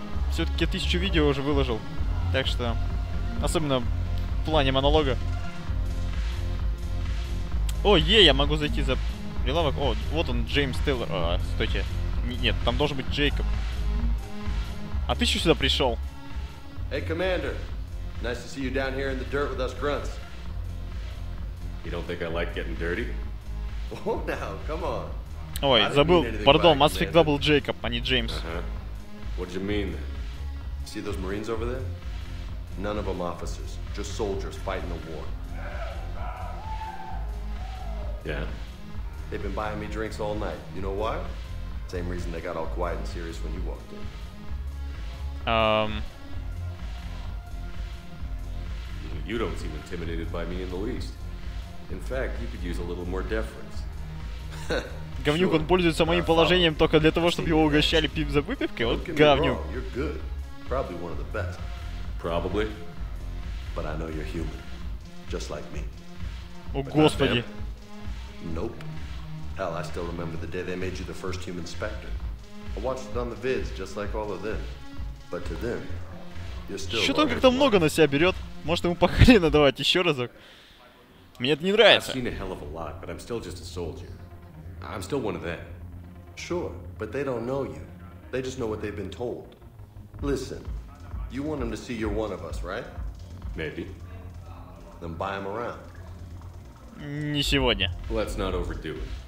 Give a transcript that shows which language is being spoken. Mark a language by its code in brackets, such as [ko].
[ru] Все-таки я 1000 видео уже выложил. Так что... Особенно в плане монолога. О, е, я могу зайти за прилавок. О, вот он, Джеймс Тейлор. О, стойте. Нет, там должен быть Джейкоб. А ты что сюда пришел? [en] Hey, Commander. Nice to see you down here in the dirt with us grunts. You don't think I like getting dirty? Oh, now, come on. [ru] Ой, забыл. Пардон, Mass Effect 2 был Джейкоб, а не Джеймс. [en] What do you mean, then? See those Marines over there? None of them officers, just soldiers fighting the war. Yeah. They've been buying me drinks all night. You know why? Same reason they got all quiet and serious when you walked in. You don't seem intimidated by me in the least. In fact, you could use a little more deference. [ru] Говнюк, он пользуется моим положением только для того, чтобы его угощали пив за выпивкой. Вот говнюк. [en] You're good. Probably one of the best. Probably. But I know you're human. Just like me. [ru] О, господи. [en] Nope. Hell, I still remember the day they made you the first human specter. I watched it on the vids, just like all of them. But to them, you're still... [ru] Что-то он как-то много на себя берет. Может, ему похрена давать еще разок? Мне это не нравится. [en] I've seen a hell of a lot, but I'm still just a soldier. I'm still one of them. Sure, but they don't know you. They just know what they've been told. Listen, you want them to see you're one of us, right? Maybe. Then buy them around. [ru] Не сегодня. [en] Let's not overdo it.